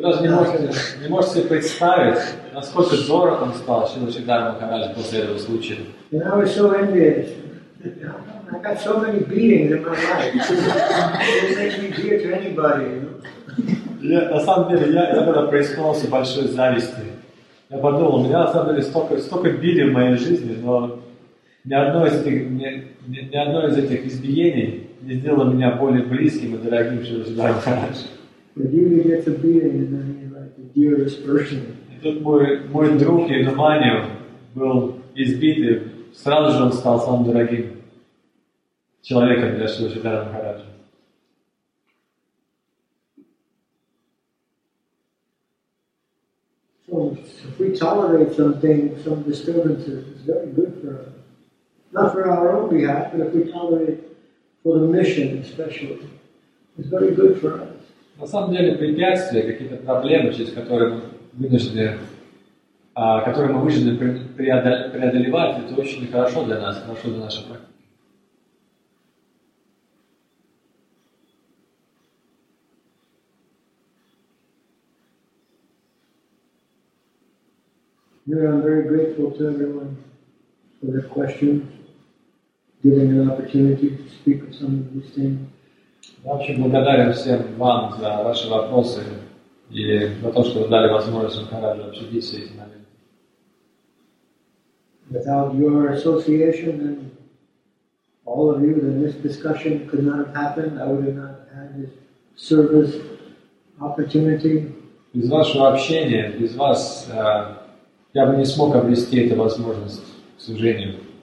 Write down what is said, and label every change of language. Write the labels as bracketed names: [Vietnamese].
[Russian] даже не можете себе представить, насколько дорог он стал Шрила Чидар Махарадж после этого случая. [English] And I was so envious. I got so many beatings in my life. It makes me dear to anybody, you know? [Russian] На самом деле, я тогда преисполнился большой зависти. Я подумал, у меня на самом деле столько били в моей жизни, но ни одно из этих избиений не сделало меня более близким и дорогим, чем всегда раньше. И тут мой друг Юдамани был избит, и сразу же он стал самым дорогим человеком для Шрила Чидара Махараджа. [English] So if we tolerate some disturbances, it's very good for us. Not for our own behalf, but if we tolerate for the mission especially, it's very good for us. [Russian] На самом деле препятствия, какие-то проблемы, через которые мы вынуждены, преодолевать, это очень хорошо для нас, хорошо для нашей практики. [English] Here I'm very grateful to everyone for their questions, giving an opportunity to speak of some of these things. [Russian] Вообще благодарен всем вам за ваши вопросы и за то, что вы дали возможность Махараджу обсудить все эти моменты. [English] Without your association and all of you, then this discussion could not have happened. I would have not had this service opportunity. [Russian] Без вашего общения, без вас. Я бы не смог обрести эту возможность к служению.